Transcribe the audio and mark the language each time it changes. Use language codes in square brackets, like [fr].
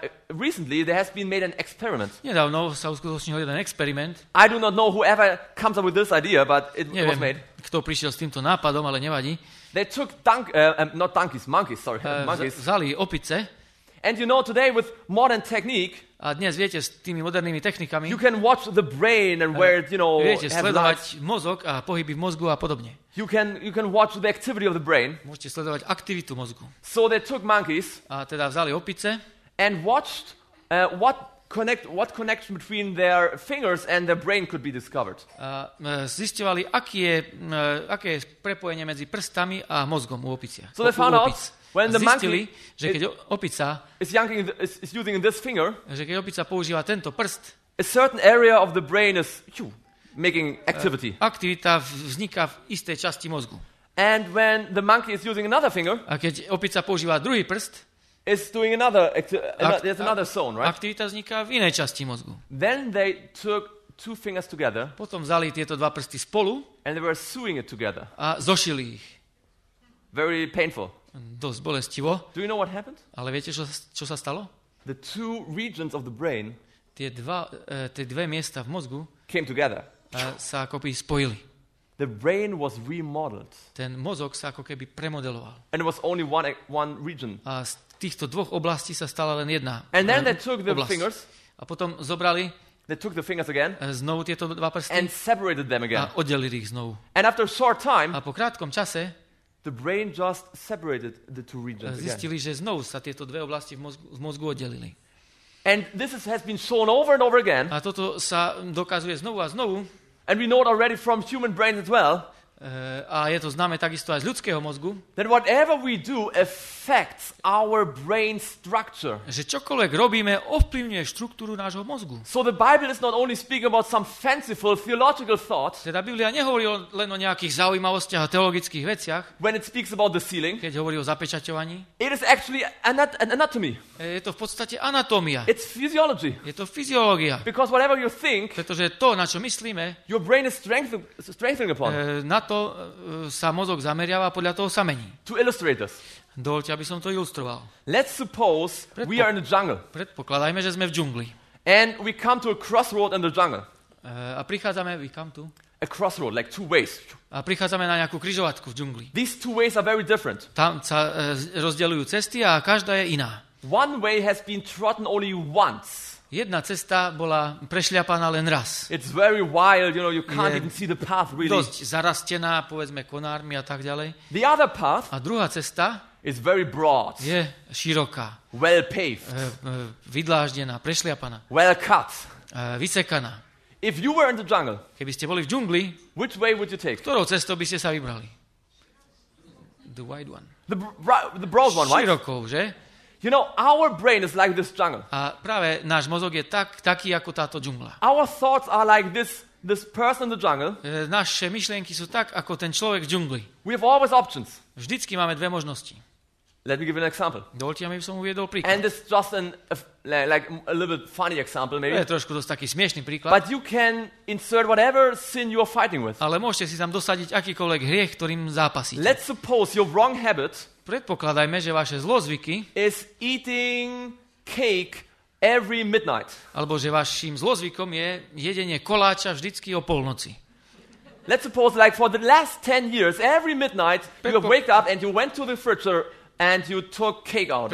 [en] Recently there has been made an experiment. [sk] Nedávno sa uskutočnil jeden experiment. [en] I do not know whoever comes up with this idea, but it [sk] Neviem, [en] was made. [sk] Kto prišiel s týmto nápadom, ale nevadí. [en] They took monkeys, sorry, monkeys. [sk] Vzali opice. [en] And you know today with modern technique, [sk] a dnes viete s tými modernými technikami, [en] you can watch the brain and where it, you know, [sk] viete sledovať mozog a pohyby v mozgu a podobne. [en] You can watch the activity of the brain. [sk] Môžete sledovať aktivitu mozgu. [en] So they took monkeys, [sk] a teda vzali opice, [en] and watched what connection between their fingers and their brain could be discovered. [sk] Zisťovali, aké je prepojenie medzi prstami a mozgom u opice. [en] So they found out when the monkey [sk] že keď opica [en] is using this finger, [sk] že keď opica používa tento prst, [en] a certain area of the brain is making activity. [sk] Aktivita vzniká v istej časti mozgu. [en] And when the monkey is using another finger, [sk] a keď opica používa druhý prst, [en] is doing another there's another zone, right? [sk] Aktivita vzniká v inej časti mozgu. [en] Then they took two fingers together. [sk] Potom vzali tieto dva prsty spolu. [en] And they were sewing it together. [sk] A zošili ich. [en] Very painful. [sk] Dosť bolestivo. [en] Do you know what happened? [sk] Ale viete, čo sa stalo? [en] The two regions of the brain, [sk] tie dve miesta v mozgu, [en] came together. [sk] Sa ako keby spojili. [en] The brain was remodeled. [sk] Ten mozog sa ako keby premodeloval. [en] And it was only one region. [sk] A z týchto dvoch oblastí sa stala len jedna. [en] And then they took the fingers. [sk] A potom zobrali. [en] They took the fingers again. [sk] Znovu tieto dva prsty. [en] And separated them again. [sk] A oddelili ich znovu. [en] And after a short time, [sk] a po krátkom čase, [en] the brain just separated the two regions again. [sk] Zistili, že znovu sa tieto dve oblasti v mozgu oddelili. [en] And this has been shown over and over again. [sk] A toto sa dokazuje znovu a znovu. [en] And we know it already from human brains as well. [sk] A je to známe takisto aj z ľudského mozgu. [en] That whatever we do affects our brain structure. [sk] Že čokoľvek robíme, ovplyvňuje štruktúru nášho mozgu. [en] So the Bible is not only speaking about some fanciful theological thoughts. [sk] Teda Biblia nehovorí len o nejakých zaujímavostiach a teologických veciach. [en] When it speaks about the ceiling. [sk] Keď hovorí o zapečaťovaní. [en] It is actually an anatomy. [sk] Je to v podstate anatómia. [en] It's physiology. [sk] Je to fyziológia. [en] Because whatever you think. [sk] Pretože to, na čo myslíme. [en] Your brain is strengthening upon. [sk] Na to sa mozog zameriava, podľa toho sa mení. Dovolte, aby som to ilustroval. [en] Let's suppose we are in the jungle. [sk] Predpokladajme, že sme v džungli. [en] And we come to a crossroad in the jungle. [sk] A prichádzame, [en] we come to a crossroad, like two ways. [sk] A prichádzame na nejakú križovatku v džungli. [en] These two ways are very different. [sk] Tam sa rozdeľujú cesty a každá je iná. [en] One way has been trodden only once. [sk] Jedna cesta bola prešľapaná len raz. [en] It's very wild, you know, you can't even see the path really. [sk] Dosť zarastená, povedzme, konármi a tak ďalej. [en] The other path, [sk] a druhá cesta, [en] is very broad. [sk] Je široká. [en] Well paved. [sk] Vydláždená, prešľapaná. [en] Well cut. [sk] Vysekaná. [en] If you were in the jungle, [sk] keby ste boli v džungli, [en] which way would you take? [sk] Ktorou cestou by ste sa vybrali? [en] The wide one. The broad one, right? [sk] Širokou, že? [en] You know, our brain is like this jungle. [sk] A práve náš mozog je taký ako táto džungla. [en] Our thoughts are like this person in the jungle. [sk] Naše myšlienky sú tak ako ten človek v džungli. [en] We have always options. [sk] Vždycky máme dve možnosti. [en] Let me give you an example. [sk] Dovolte, aby som uviedol príklad. [en] And it's just a little bit funny example maybe. [sk] Je trošku dosť taký smiešný príklad. [en] But you can insert whatever sin you are fighting with. [sk] Ale môžete si tam dosadiť akýkoľvek hriech, ktorým zápasíte. [en] Let's suppose your wrong habit. [sk] Predpokladajme, že vaše zlozvyky [en] is eating cake every midnight. [sk] Alebo že vašim zlozvykom je jedenie koláča vždycky o polnoci. [en] Let's suppose like for the last 10 years every midnight you wake up and you went to the fridge and you took cake out.